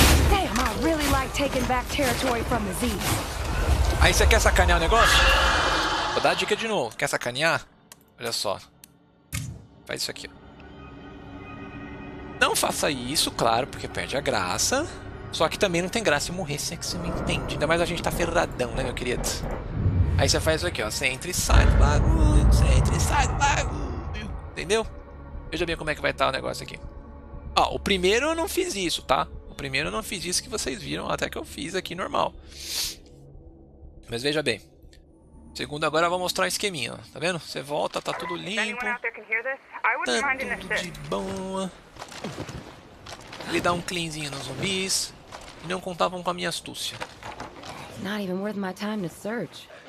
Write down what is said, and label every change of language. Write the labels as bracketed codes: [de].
[en] Damn, I really like taking back territory from the Z's. [pt] Aí você quer sacanear o negócio? Vou dar a dica de novo. Quer sacanear? Olha só. Faz isso aqui. Não faça isso, claro, porque perde a graça. Só que também não tem graça morrer, se é que você me entende. Ainda mais a gente tá ferradão, né, meu querido? Aí você faz isso aqui, ó. Você entra e sai do bagulho. Você entra e sai do bagulho. Entendeu? Veja bem como é que vai estar o negócio aqui. Ó, o primeiro eu não fiz isso, tá? O primeiro eu não fiz isso que vocês viram. Até que eu fiz aqui, normal. Mas veja bem. O segundo agora eu vou mostrar o esqueminha, ó. Tá vendo? Você volta, tá tudo limpo. Tá tudo de boa. Ele dá um cleanzinho nos zumbis. E não contavam com a minha astúcia. [en] Not even worth my time to search.